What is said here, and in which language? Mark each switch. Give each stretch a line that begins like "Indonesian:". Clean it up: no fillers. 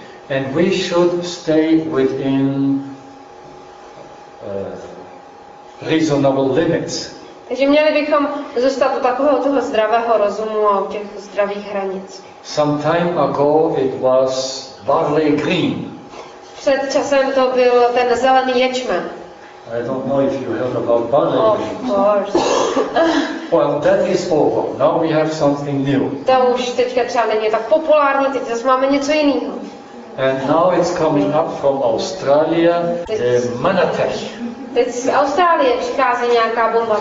English: And we should stay within reasonable limits.
Czech: Takže měli bychom zůstat u takového toho zdravého rozumu a u těch zdravých hranic.
English: Some time ago it was barley green.
Czech: Před časem to byl ten zelený ječmen.
English: I don't know if you heard about barley green. Of course. Well, that is over. Now we have something new.
Czech: To už teďka třeba není tak populární, teď zase máme něco jiného.
English: And now it's coming up from Australia, the Manatech.
Czech: Teď z Austrálie přichází nějaká bomba